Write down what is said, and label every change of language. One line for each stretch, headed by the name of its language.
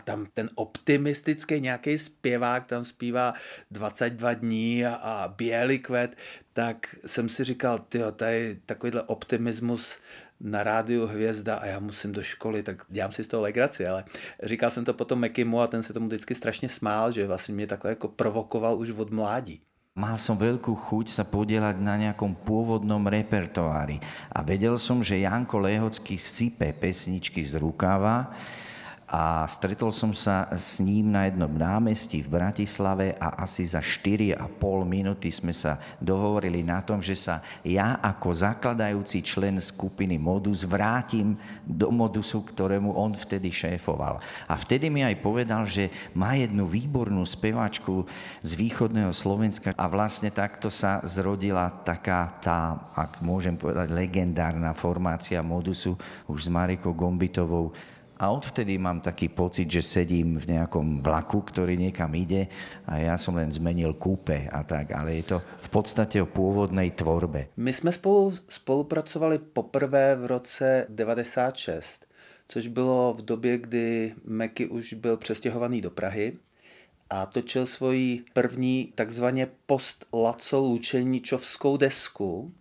Czech: A tam ten optimistický nějaký zpěvák tam zpívá 22 dní a bělý kvet, tak jsem si říkal, tyjo, tady takovýhle optimismus na rádiu Hvězda a já musím do školy, tak dělám si z toho legraci, ale říkal jsem to potom Mekymu a ten se tomu vždycky strašně smál, že vlastně mě takhle jako provokoval už od mládí.
Slovak: Mal som veľkú chuť sa podieľať na nejakom pôvodnom repertoári a vedel som, že Janko Lehocký sype pesničky z rukáva a stretol som sa s ním na jednom námestí v Bratislave a asi za 4,5 minúty sme sa dohovorili na tom, že sa ja ako zakladajúci člen skupiny Modus vrátim do Modusu, ktorému on vtedy šéfoval. A vtedy mi aj povedal, že má jednu výbornú spevačku z východného Slovenska a vlastne takto sa zrodila taká tá, ak môžem povedať, legendárna formácia Modusu už s Marikou Gombitovou. A odvtedy mám taký pocit, že sedím v nejakom vlaku, ktorý niekam ide a ja som len zmenil kúpe a tak, ale je to v podstate o pôvodnej tvorbe.
Czech: My sme spolupracovali poprvé v roce 96, což bylo v době, kdy Meky už byl přestěhovaný do Prahy a točil svoji první takzvaně post-Laco-Lučeničovskou desku.